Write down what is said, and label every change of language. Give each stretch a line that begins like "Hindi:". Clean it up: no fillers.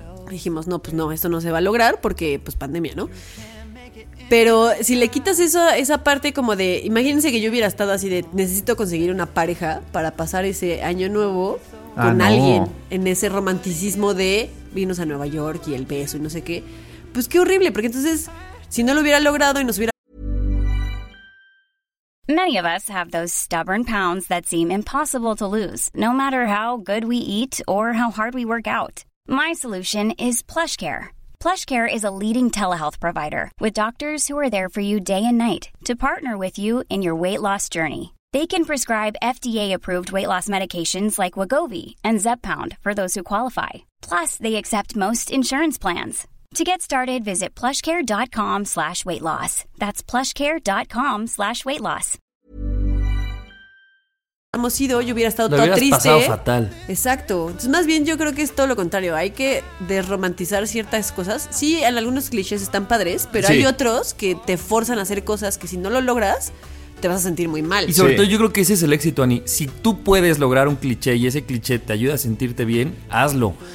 Spanish: Dijimos, no, pues no, esto no se va a lograr porque, pues, pandemia, ¿no? Pero si le quitas esa parte como de... Imagínense que yo hubiera estado así de necesito conseguir una pareja para pasar ese Año Nuevo con alguien. En ese romanticismo de vinos a Nueva York y el beso y no sé qué. Pues qué horrible, porque entonces... Si no lo hubiera logrado y nos hubiera...
English: Many of us have those stubborn pounds that seem impossible to lose, no matter how good we eat or how hard we work out. My solution is PlushCare. PlushCare is a leading telehealth provider with doctors who are there for you day and night to partner with you in your weight loss journey. They can prescribe FDA-approved weight loss medications like Wegovy and Zepbound for those who qualify. Plus, they accept most insurance plans. To get started, visit plushcare.com/weightloss. That's plushcare.com/weightloss.
Spanish: Hemos ido, yo hubiera estado todo triste. Lo hubieras pasado fatal. Exacto. Entonces, más bien, yo creo que es todo lo contrario. Hay que desromantizar ciertas cosas. Sí, en algunos clichés están padres, pero sí. Hay otros que te forzan a hacer cosas que si no lo logras, te vas a sentir muy mal. Y sobre todo, yo creo que ese es el éxito, Ani. Si tú puedes lograr un cliché y ese cliché te ayuda a sentirte bien, hazlo.